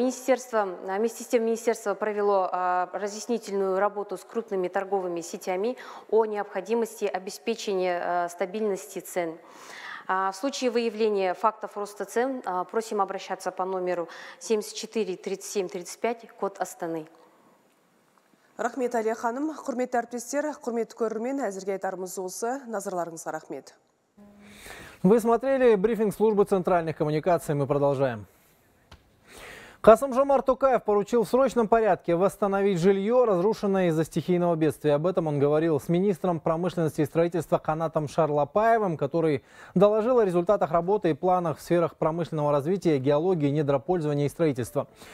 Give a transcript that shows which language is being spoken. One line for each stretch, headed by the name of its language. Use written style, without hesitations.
Russian: Министерство провело разъяснительную работу с крупными торговыми сетями о необходимости обеспечения стабильности цен. В случае выявления фактов роста цен просим обращаться по номеру 743735, код Астаны.
Kazakh: Рахмет, Алия ханым. Құрметті әріптестер, құрметті көрермен, әзірге айтарымыз осы. Назарларыңызға рахмет.
Russian: Вы смотрели брифинг службы центральных коммуникаций. Мы продолжаем. Касым-Жомарт Токаев поручил в срочном порядке восстановить жилье, разрушенное из-за стихийного бедствия. Об этом он говорил с министром промышленности и строительства Канатом Шарлапаевым, который доложил о результатах работы и планах в сферах промышленного развития, геологии, недропользования и строительства.